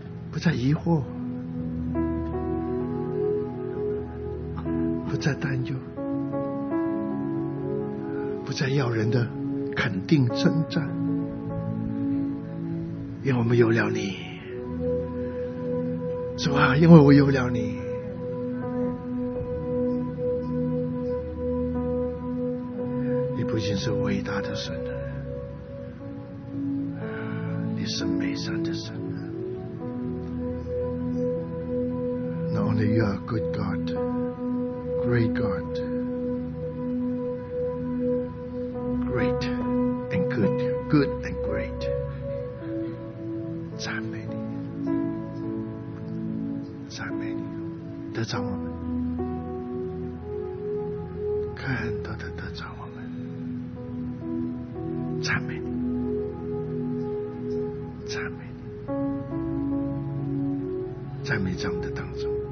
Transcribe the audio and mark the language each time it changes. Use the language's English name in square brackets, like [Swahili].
[Chinese] 不再疑惑，不再担忧，不再要人的肯定称赞，因为我们有了你，是吧？因为我有了你，你不仅是伟大的神，你是美善的神。 [English] Not only you are good God,Great God, great and good, good and great. [Chinese] 赞美你，赞美你，得着我们，看到的得着我们，赞美你，赞美你，赞美在我们的当中。